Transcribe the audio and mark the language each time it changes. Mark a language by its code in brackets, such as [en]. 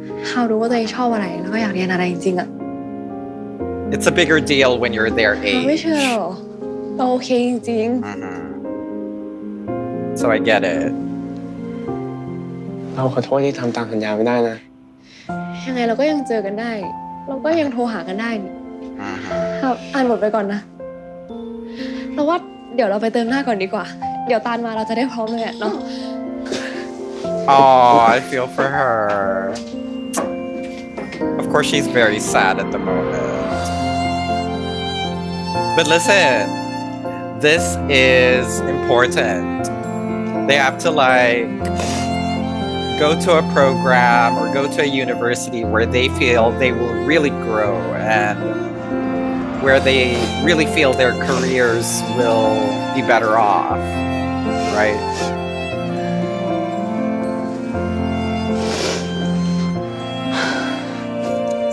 [en] How do they [th] ชอบอะไรแล้วก็อยากเรียนอะไรจริงๆอ่ะ [en] It's a bigger deal when you're their age. [th] ไม่ใช่หรอโอเคจริง [en] So I get it. [th] เราขอโทษที่ทำตามสัญญาไม่ได้นะ ยังไงเราก็ยังเจอกันได้เราก็ยังโทรหากันได้ ครับอ่านบทไปก่อนนะเราว่าเดี๋ยวเราไปเติมหน้าก่อนดีกว่าเดี๋ยวตานมาเราจะได้พร้อมเลยเนาะ [en] Oh, I feel for her. Of course, she's very sad at the moment. But listen, this is important. They have to like go to a program or go to a university where they feel they will really grow and where they really feel their careers will be better off, right?